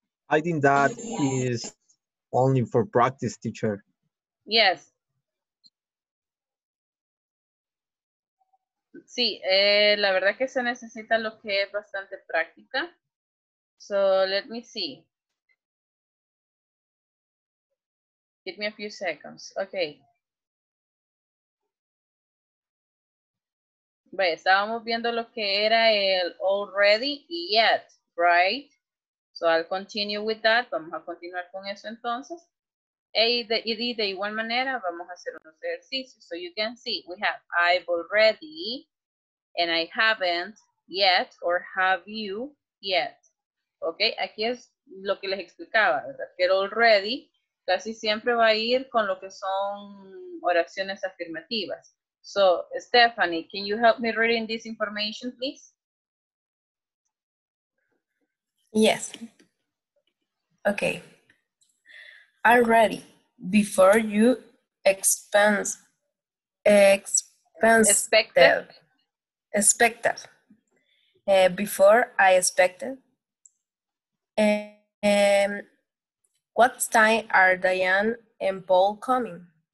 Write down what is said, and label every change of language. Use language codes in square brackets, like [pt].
[en] I think that is only for practice, teacher. Yes. [es] Sí, la verdad que se necesita lo que es bastante práctica. [en] So, let me see. Give me a few seconds. Okay. [es] Bueno, estábamos viendo lo que era el already y yet, right? [en] So I'll continue with that. [es] Vamos a continuar con eso entonces. Y de igual manera vamos a hacer unos ejercicios. [en] So you can see we have I've already and I haven't yet or have you yet. [es] Okay, aquí es lo que les explicaba, ¿verdad? Que el already casi siempre va a ir con lo que son oraciones afirmativas. [en] So Stephanie, can you help me reading this information, please? Yes. Okay. Already, before you expected, what time are Diane and Paul coming?